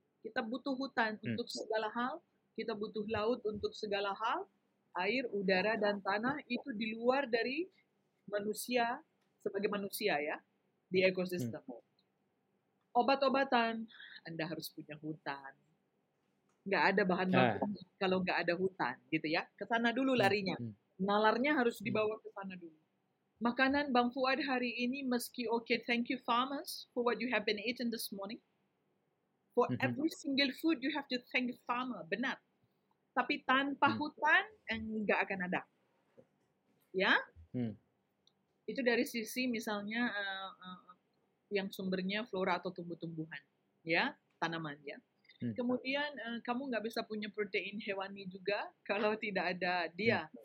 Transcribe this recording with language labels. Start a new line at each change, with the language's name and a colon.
Indonesian: Kita butuh hutan untuk segala hal, kita butuh laut untuk segala hal, air, udara, dan tanah itu di luar dari manusia sebagai manusia ya, di ekosistem. Obat-obatan, Anda harus punya hutan. Nggak ada bahan baku kalau nggak ada hutan, gitu ya. Ke sana dulu larinya. Nalarnya harus dibawa ke sana dulu. Makanan Bang Fuad hari ini, meski
English: okay, thank you farmers for what you have been eating this morning. For every single food, you have to thank farmer,
Indonesian: benar. Tapi tanpa hutan, nggak akan ada. Ya? Itu dari sisi misalnya yang sumbernya flora atau tumbuh-tumbuhan, ya, tanaman, ya. Kemudian kamu nggak bisa punya protein hewani juga kalau tidak ada dia.